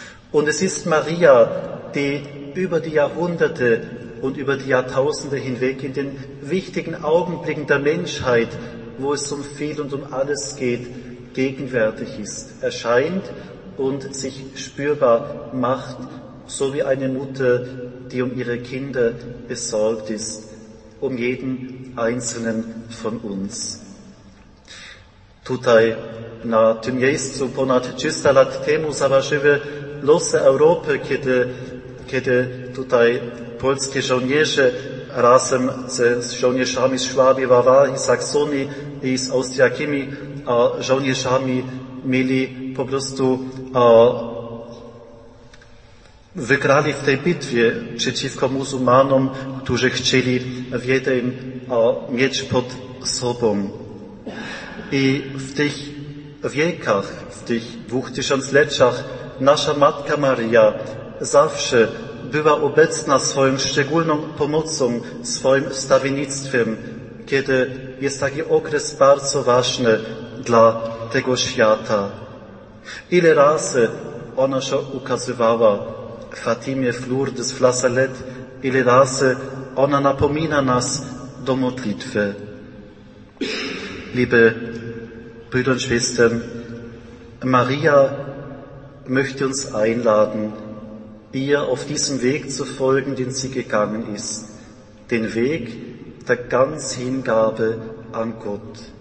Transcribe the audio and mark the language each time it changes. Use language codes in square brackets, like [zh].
[de] Und es ist Maria, die über die Jahrhunderte und über die Jahrtausende hinweg in den wichtigen Augenblicken der Menschheit, wo es um viel und um alles geht, gegenwärtig ist, erscheint und sich spürbar macht, so wie eine Mutter, die um ihre Kinder besorgt ist, um jeden einzelnen von uns. [pl] Tutaj na tym miejscu ponad 300 lat temu zaważyły losy Europy, kiedy tutaj polskie żołnierze razem ze żołnierzami z Szwabii, Bawarii, Saksonii i z austriackimi żołnierzami mieli po prostu wygrali w tej bitwie przeciwko muzułmanom, którzy chcieli Wiedeń mieć pod sobą. I w tych wiekach, w tych 2000-leciach nasza Matka Maria zawsze była obecna swoją szczególną pomocą, swoim stawiennictwem, kiedy jest taki okres bardzo ważny dla tego świata. Ile razy ona się ukazywała Fatimie w Lourdes, w La Salette, ile razy ona napomina nas do modlitwy. [de] Liebe Brüder und Schwestern, Maria möchte uns einladen, ihr auf diesem Weg zu folgen, den sie gegangen ist. Den Weg der ganzen Hingabe an Gott.